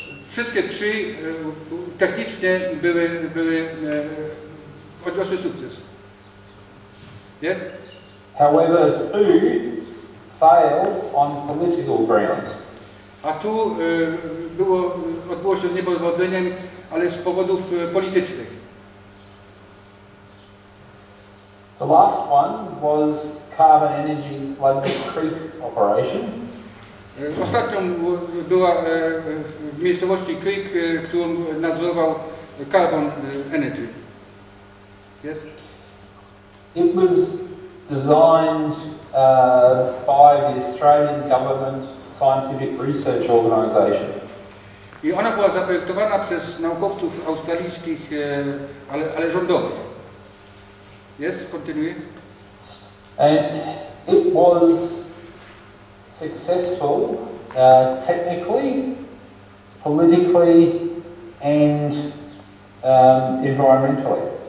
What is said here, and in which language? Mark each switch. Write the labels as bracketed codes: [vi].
[pl] Wszystkie trzy technicznie były odniosły sukces. [en] Yes? However, two failed on political grounds. [pl] A tu było odbyło się z niepowodzeniem, ale z powodów politycznych. [en] The last one was Carbon Energy's Blood Creek operation. [pl] Ostatnią była w miejscowości Creek, którą nadzorował Carbon Energy. [en] Yes. It was designed by the Australian Government Scientific Research Organisation. [pl] I ona była zaprojektowana przez naukowców australijskich, ale rządowych. [en] Yes, continue. And it was successful technically, politically and environmentally.